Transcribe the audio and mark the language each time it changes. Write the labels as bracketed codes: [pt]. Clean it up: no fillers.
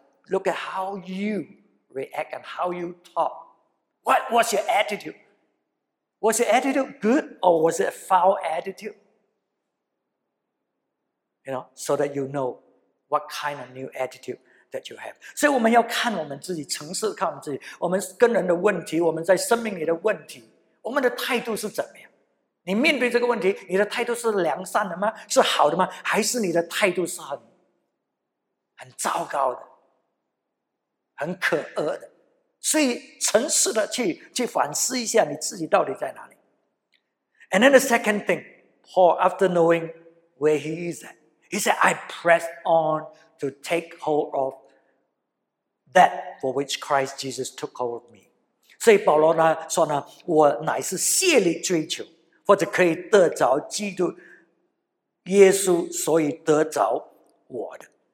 [en] Look at how you react and how you talk. What's your attitude? Was your attitude good or was it a foul attitude? you know, so that you know what kind of new attitude that you have. [zh] 所以我们要看我们自己，诚实看我们自己，我们跟人的问题，我们在生命里的问题，我们的态度是怎么样？你面对这个问题，你的态度是良善的吗？是好的吗？还是你的态度是很糟糕的，很可恶的？所以诚实的去反思一下你自己到底在哪里。 [en] And then the second thing, Paul, after knowing where he is at, he said, I press on to take hold of that for which Christ Jesus took hold of me. [zh] 所以保罗呢说呢，我乃是竭力追求，或者可以得着基督耶稣，所以得着我的。